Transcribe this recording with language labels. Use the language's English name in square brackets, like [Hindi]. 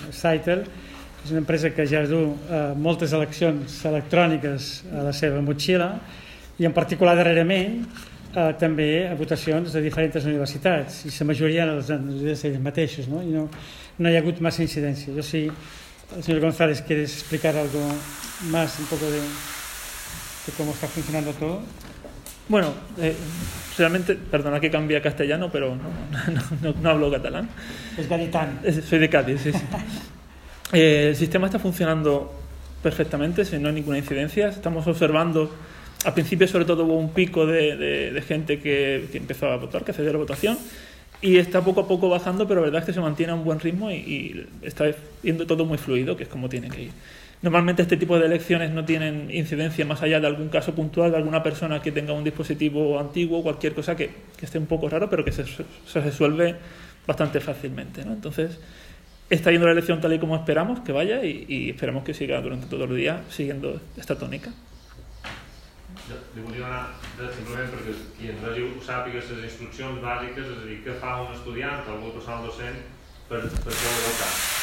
[Catalan] Sitel és una empresa que ja du moltes eleccions electròniques a la seva motxilla i en particular darrerament també a votacions de diferents universitats i la majoria de les universitats ells mateixos, no? I no hi ha hagut massa incidència. Jo sí, [Spanish] el señor González, ¿quieres explicar algo más, un poco de cómo está funcionando todo? Bueno, realmente, perdona que cambie a castellano, pero no hablo catalán. Es gaditán. Soy de Cádiz, sí, sí. El sistema está funcionando perfectamente, si no hay ninguna incidencia. Estamos observando, al principio sobre todo hubo un pico de gente que empezó a votar, que accedió a la votación. Y está poco a poco bajando, pero la verdad es que se mantiene a un buen ritmo y está yendo todo muy fluido, que es como tiene que ir. Normalmente este tipo de elecciones no tienen incidencia más allá de algún caso puntual, de alguna persona que tenga un dispositivo antiguo, cualquier cosa que esté un poco raro, pero que se resuelve bastante fácilmente, ¿no? Entonces, está yendo la elección tal y como esperamos que vaya y esperamos que siga durante todo el día siguiendo esta tónica. [Catalan] Li volia anar, simplement perquè qui ens vagi ho sàpiga, les instruccions bàsiques, és a dir, què fa un estudiant, o algú passar al docent, per poder votar.